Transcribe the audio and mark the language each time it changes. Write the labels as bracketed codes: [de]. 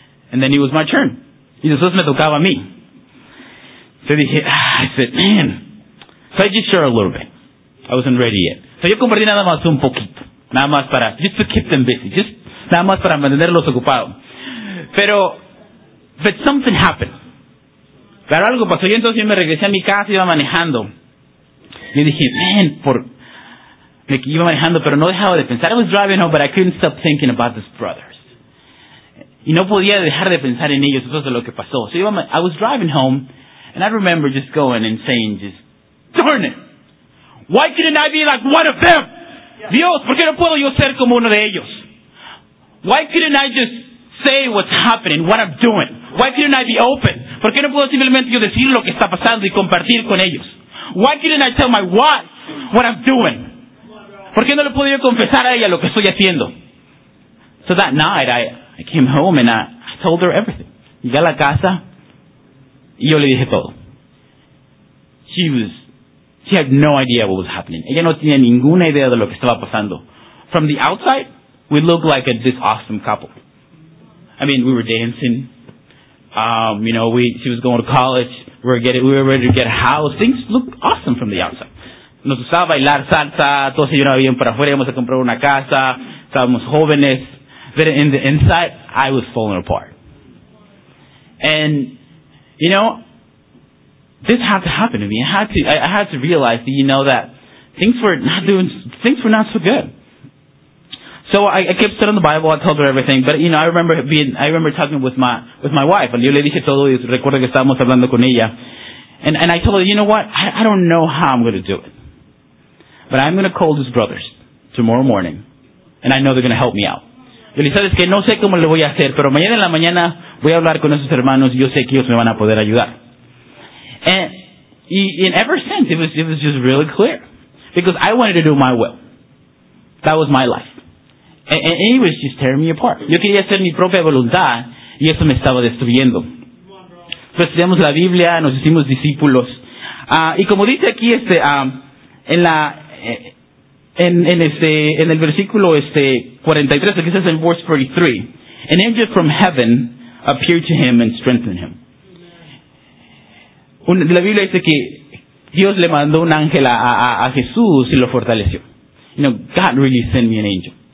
[en] And then it was my turn. [es] Y después me tocaba a mí. [en] So dije, I said, man. So I just shared a little bit. I wasn't ready yet. So [es] yo compartí nada más un poquito. Nada más para, [en] just to keep them busy, just [es] nada más para mantenerlos ocupados. Pero, [en] but something happened. [es] Pero algo pasó. Yo entonces me regresé a mi casa y iba manejando. Y dije, man, por... Me iba manejando, pero no dejaba de pensar. [en] I was driving home, but I couldn't stop thinking about these brothers. [es] Y no podía dejar de pensar en ellos. Eso es lo que pasó. [en] So I was driving home, and I remember just going and saying, just, darn it! Why couldn't I be like one of them? [es] Dios, ¿por qué no puedo yo ser como uno de ellos? [en] Why couldn't I just say what's happening, what I'm doing? Why couldn't I be open? [es] ¿Por qué no puedo simplemente yo decir lo que está pasando y compartir con ellos? [en] Why couldn't I tell my wife what I'm doing? [es] ¿Por qué no le puedo yo confesar a ella lo que estoy haciendo? [en] So that night, I came home and I told her everything. [es] Llegué a la casa y yo le dije todo. [en] She had no idea what was happening. [es] Ella no tenía ninguna idea de lo que estaba pasando. [en] From the outside, we looked like this awesome couple. I mean, we were dancing. She was going to college. We were ready to get a house. Things looked awesome from the outside. [es] Nos gustaba bailar salsa. Todos ellos iban para afuera. Íbamos a comprar una casa. Estábamos jóvenes. [en] But in the inside, I was falling apart. And, you know, this had to happen to me. I had to realize that, you know, that things were not so good. So I kept studying the Bible. I told her everything. But, you know, I remember talking with my wife. [es] Yo le dije todo y recuerdo que estábamos hablando con ella. [en] And I told her, you know what? I don't know how I'm going to do it. But I'm going to call these brothers tomorrow morning. And I know they're going to help me out. [es] Yo le dije, sabes que no sé cómo le voy a hacer, pero mañana en la mañana voy a hablar con esos hermanos y yo sé que ellos me van a poder ayudar. [en] And ever since, it was just really clear. Because I wanted to do my will. That was my life. And it was just tearing me apart. [es] Yo quería hacer mi propia voluntad, y eso me estaba destruyendo. Entonces, estudiamos la Biblia, nos hicimos discípulos. Y como dice aquí, en el versículo 43, aquí dice en [en] verse 43, an angel from heaven appeared to him and strengthened him. [es] La Biblia dice que Dios le mandó un ángel a Jesús y lo fortaleció. [en] You know, God really sent me an angel.